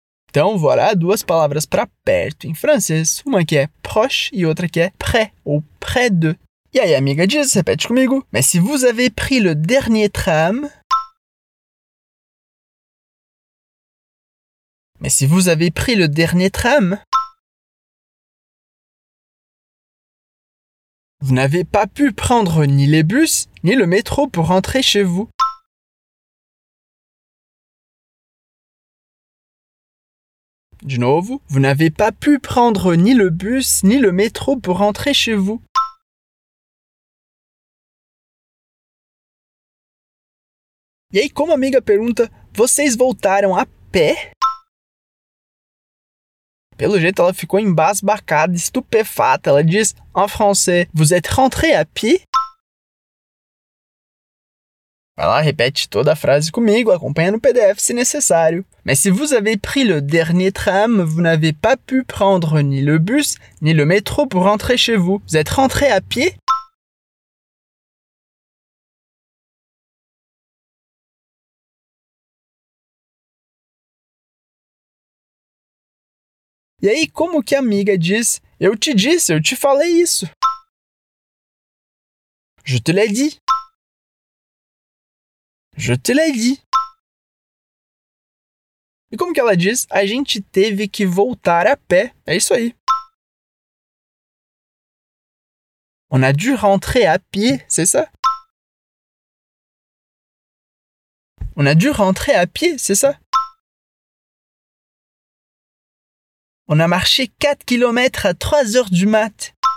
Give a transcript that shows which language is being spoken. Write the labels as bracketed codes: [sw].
[pt] Então, voilà, duas palavras para perto em francês. Uma que é proche e outra que é près ou près de. E aí, amiga diz, repete comigo. [fr] Mais si vous avez pris le dernier tram... Mais si vous avez pris le dernier tram... Vous n'avez pas pu prendre ni les bus, ni le métro pour rentrer chez vous. [pt] De novo, [fr] vous n'avez pas pu prendre ni le bus ni le métro pour rentrer chez vous. [pt] E aí, como a amiga pergunta, vocês voltaram a pé? Pelo jeito, ela ficou embasbacada, estupefata. Ela diz, [fr] en français, vous êtes rentré à pied? [pt] Vai lá, repete toda a frase comigo, acompanha no PDF se necessário. [fr] Mais si vous avez pris le dernier tram, vous n'avez pas pu prendre ni le bus, ni le métro pour rentrer chez vous. Vous êtes rentré à pied? [pt] E aí, como que a amiga diz? Eu te disse, eu te falei isso. [fr] Je te l'ai dit. Je te l'ai dit. [pt] E como que ela diz? A gente teve que voltar a pé. É isso aí. [fr] On a dû rentrer à pied, c'est ça? On a dû rentrer à pied, c'est ça? On a marché 4 km à 3 heures du mat.